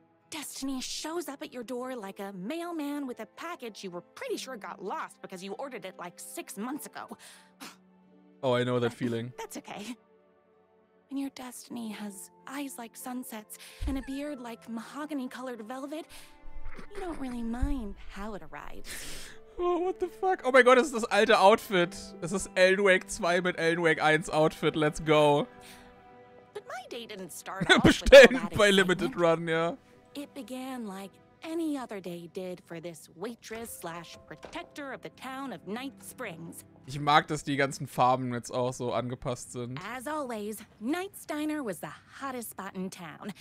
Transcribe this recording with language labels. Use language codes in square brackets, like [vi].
[en] Destiny shows up at your door like a mailman with a package you were pretty sure got lost because you ordered it like 6 months ago. Oh, I know that feeling. That's okay. When your destiny has eyes like sunsets and a beard like mahogany-colored velvet, you don't really mind how it arrives. Oh, what the fuck? [de] Oh mein Gott, es ist das alte Outfit. Es ist Alan Wake 2 mit Alan Wake 1 Outfit. [en] Let's go. But my day didn't start off [de] bestellen bei Limited Run, ja. [en] It began like any other day did for this waitress / protector of the town of Night Springs. [de] Ich mag, dass die ganzen Farben jetzt auch so angepasst sind. [en] As always, Night's Diner was the hottest spot in town.